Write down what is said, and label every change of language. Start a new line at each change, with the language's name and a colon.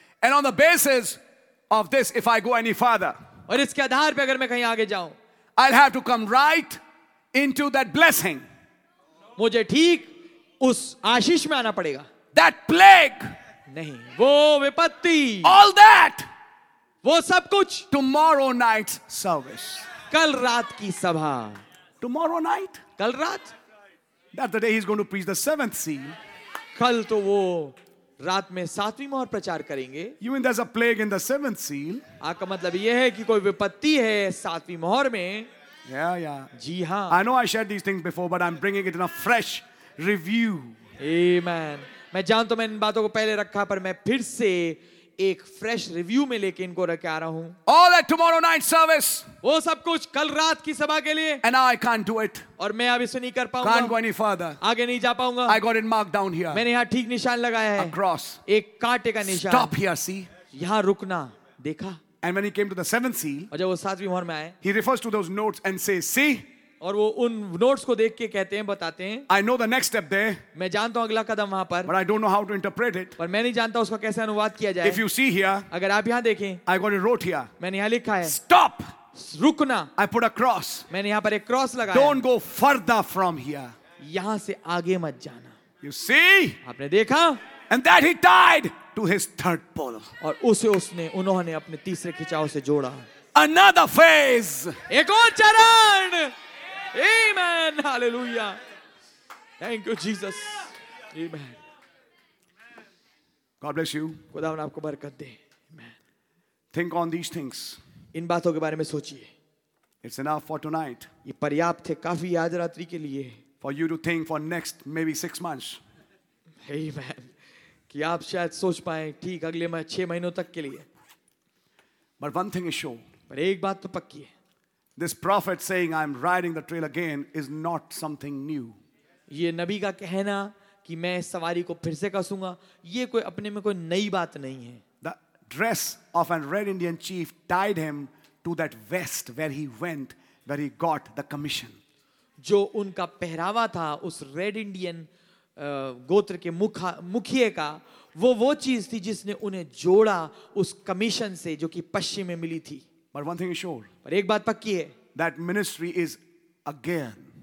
English: And on the basis of this, if I go any further,
Hindi: और इसके आधार पे अगर मैं कहीं आगे जाऊं,
English: I'll have to come right into that blessing.
Hindi: मुझे ठीक उस आशीष में आना पड़ेगा.
English: That plague.
Hindi: नहीं, वो विपत्ति.
English: All that.
Hindi: वो सब कुछ.
English: Tomorrow night's service.
Hindi: कल रात की सभा.
English: Tomorrow night.
Hindi: कल रात.
English: That's the day he's going to preach the seventh seal.
Hindi: कल तो वो रात में सातवीं मोहर प्रचार करेंगे.
English: You mean there's a plague in the seventh seal?
Hindi: आपका मतलब ये है कि कोई विपत्ति है सातवीं मोहर में?
English: Yeah.
Hindi: जी हाँ.
English: I know I shared these things before, but I'm bringing it in a fresh review. Amen.
Hindi: मैं जानता हूँ मैं इन बातों को पहले रखा, पर मैं फिर से एक fresh review में लेके इनको रखे आ रहा हूँ.
English: All that tomorrow night service.
Hindi: वो सब कुछ कल रात की सभा के लिए.
English: And now I can't do it.
Hindi: और मैं अब इसे नहीं कर पाऊंगा.
English: Can't go any further.
Hindi: आगे नहीं जा पाऊंगा.
English: I got it marked down here.
Hindi: मैंने यहाँ ठीक निशान लगाया है.
English: A cross.
Hindi: एक कांटे का निशान.
English: Stop here, see.
Hindi: यहाँ रुकना. देखा?
English: And when he came to the seventh seal.
Hindi: और जब वो सातवीं मोहर में आए.
English: He refers to those notes and says, see.
Hindi: और वो उन नोट्स को देख के कहते हैं बताते हैं.
English: I know the next step there.
Hindi: मैं जानता हूं अगला कदम वहां पर.
English: But I don't know how to interpret it.
Hindi: पर मैं नहीं जानता उसका कैसे अनुवाद किया जाए.
English: If you see here.
Hindi: अगर आप यहां देखें.
English: I got it wrote here.
Hindi: मैंने यहां लिखा है.
English: Stop.
Hindi: रुकना.
English: I put a cross.
Hindi: मैंने यहां पर एक क्रॉस लगाया.
English: Don't go further from here.
Hindi: यहां से आगे मत जाना.
English: You see.
Hindi: आपने देखा.
English: and that he tied to his third pole.
Hindi: और उसे उसने उन्होंने अपने तीसरे खिंचाव से जोड़ा.
English: Another phase.
Hindi: एक और चरण. Amen. Hallelujah.
English: Thank you, Jesus.
Hindi: Amen.
English: God bless you.
Hindi: खुदावन आपको बरकत दे. Amen.
English: Think on these things.
Hindi: इन बातों के बारे में सोचिए.
English: It's enough for tonight.
Hindi: ये पर्याप्त है काफी आज रात्रि के लिए.
English: For you to think for next maybe 6 months. Amen.
Hindi: कि आप शायद सोच पाएं ठीक अगले महीने 6 महीनों तक के लिए.
English: But one thing is sure.
Hindi: पर एक बात तो पक्की है.
English: This prophet saying I'm riding the trail again is not something new.
Hindi: ये नबी का कहना कि मैं सवारी को फिर से कसूंगा ये कोई अपने में कोई नई बात नहीं है.
English: The dress of a red Indian chief tied him to that vest where he went, where he got the commission.
Hindi: जो उनका पहरावा था उस रेड इंडियन गोत्र के मुखिए का वो चीज थी जिसने उन्हें जोड़ा उस कमीशन से जो कि पश्चिम में मिली थी.
English: But one thing is sure.
Hindi: पर एक बात पक्की है.
English: That ministry is again.